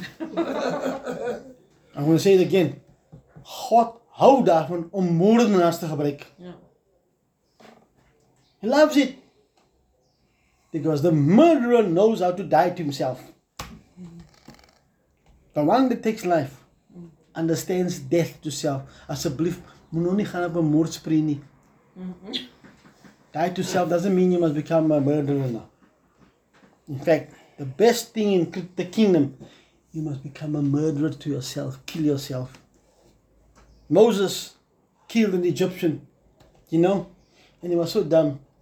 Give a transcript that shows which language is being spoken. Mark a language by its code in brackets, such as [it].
[en] I'm going to say it again. [af] God hou daarvan om moordenaars te gebruik. [en] Yeah. He loves it. Because the murderer knows how to die to himself. The one that takes life understands death to self. [af] Asseblief, moet nou nie gaan op 'n moordspree nie. [en] Die to self doesn't mean you must become a murderer now. In fact, the best thing in the kingdom, you must become a murderer to yourself. Kill yourself. Moses killed an Egyptian, you know, and he was so dumb.